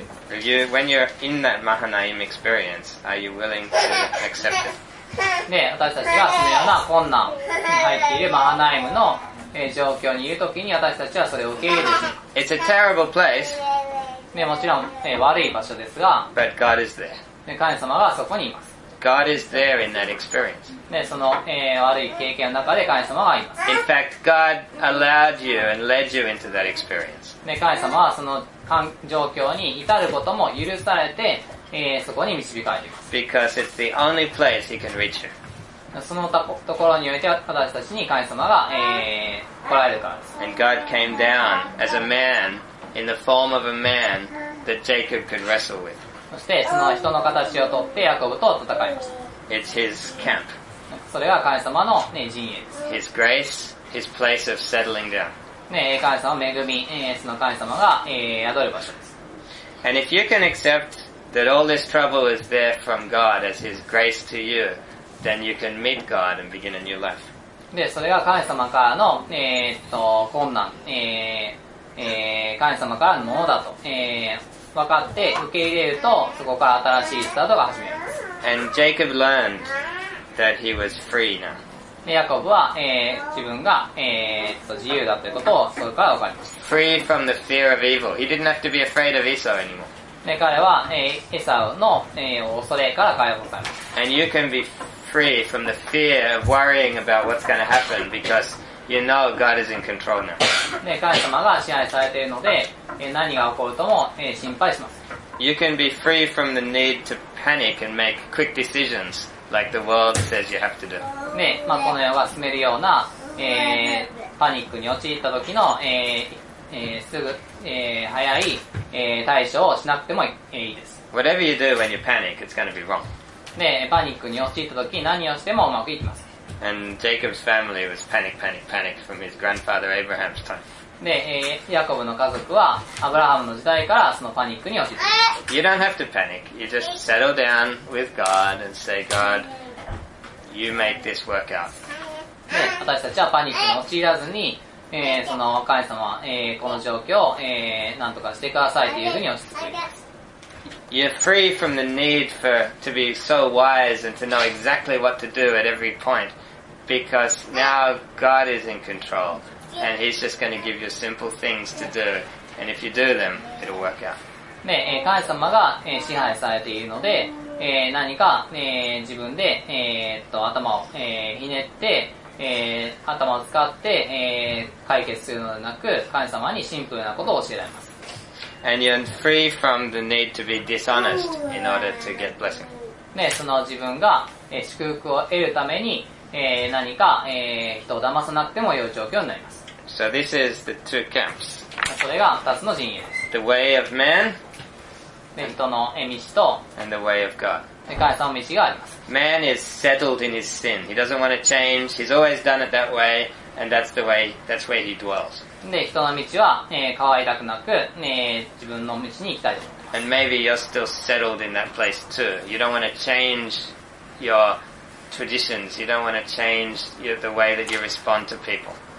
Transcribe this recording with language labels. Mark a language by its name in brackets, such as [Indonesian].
[English] When you're in that Mahanaim experience, are you willing to accept it? [Japanese] で、私たちがそのような困難に入っているマハナイムの状況にいるときに、私たちはそれを受け入れる。 [English] It's a terrible place. [Japanese] で、もちろん、悪い場所ですが。 [English] But God is there. [Japanese] で、神様がそこにいます。 [English] God is there in that experience. [Japanese] で、その、悪い経験の中で神様がいます。 [English] In fact, God allowed you and led you into that experience. [Japanese] で、神様はその状況に至ることも許されて、そこに導かれています。 [English] Because it's the only place he can reach you. [Japanese] そのところにおいて私たちに神様が、来られるからです。 [English] And God came down as a man in the form of a man that Jacob could wrestle with. [Japanese] そしてその人の形をとってヤコブと戦いました。 [English] It's his camp. [Japanese] それが神様の、陣営です。 [English] His grace, his place of settling down. [Japanese] ね、神様の恵み、その神様が、宿る場所です。 [English] And if you can accept that all this trouble is there from God as his grace to you, then you can meet God and begin a new life. [Japanese] で、それが神様からの、困難、神様からのものだと、分かって受け入れると、そこから新しいスタートが始まります。 [English] And Jacob learned that he was free now. [Japanese] でヤコブは、自分が、自由だということをそこから分かりました。 [English] Free from the fear of evil. He didn't have to be afraid of Esau anymore. [Japanese] で彼は、エサウの、恐れから解放されます。 [English] And you can be free from the fear of worrying about what's going to happen becauseYou know God is in control now. [Japanese] ね、神様が支配されているので、何が起こるとも、心配します。 [English] You can be free from the need to panic and make quick decisions like the world says you have to do. [Japanese] ね、まあ、この世が進めるような、パニックに陥った時の、すぐ、早い、対処をしなくてもいいです。 [English] Whatever you do when you panic, it's going to be wrong. [Japanese] ね、パニックに陥った時何をしてもうまくいきます。 [English] And Jacob's family was panic from his grandfather Abraham's time. [Japanese] で、ヤコブの家族はアブラハムの時代からそのパニックに陥っています。 [English] You don't have to panic. You just settle down with God and say, God, you make this work out. [Japanese] で、私たちはパニックに陥らずに、その神様、この状況を、何とかしてくださいというふうに落ち着きます。 [English] You're free from the need for to be so wise and to know exactly what to do at every point because now God is in control and he's just going to give you simple things to do and if you do them, it'll work out. [Japanese] ね、神様が、支配されているので、何か、自分で、頭を、ひねって、頭を使って、解決するのではなく神様にシンプルなことを教えられます。 [English] And you're free from the need to be dishonest in order to get blessing. [Japanese] ね、その自分が、祝福を得るために、何か、人を騙さなくてもよい状況になります。 [English] So this is the two camps. [Japanese] それが二つの陣営です。 [English] The way of man. [Japanese] 人の道と。 [English] And the way of God. [Japanese] 世界三道があります。 [English] Man is settled in his sin. He doesn't want to change. He's always done it that way, and that's the way. That's where he dwells. [Japanese] で、人の道は、変わりたくなく、自分の道に行きたいと思います。 [English] And maybe you're still settled in that place too. You don't want to change your traditions. You don't want to change the way that you respond to people.